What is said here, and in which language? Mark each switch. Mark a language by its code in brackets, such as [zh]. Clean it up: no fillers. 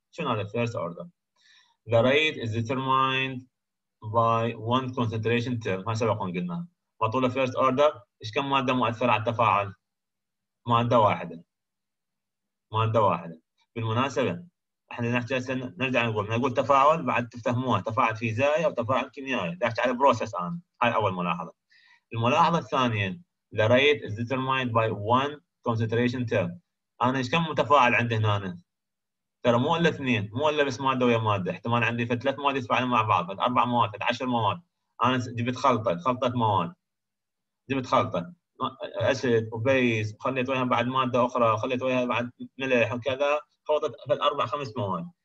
[ar] شنو هذا الفيرست اوردر؟ [en] The rate is determined by one concentration term. [ar] ما سبق قلنا مطولة first order إيش كم مادة مؤثرة على التفاعل؟ مادة واحدة. بالمناسبة إحنا نحكي هسه نرجع نقول نقول تفاعل بعد تفهموها تفاعل فيزيائي أو تفاعل كيميائي. نحكي على process الآن. هاي أول ملاحظة. الملاحظة الثانية [en] the rate is determined by one concentration term. [ar] أنا إيش كم متفاعل عندي هنا؟ ترى مو إلا اثنين، مو إلا بس مادة ويا مادة. احتمال عندي ثلاث مواد يتفاعلون مع بعض، أربع مواد، عشر مواد. أنا جبت خلطة مواد. جبت خلطة أسيد وبيز خليت وياها بعد مادة أخرى خليت وياها بعد ملح وكذا خلطت أربع خمس مواد.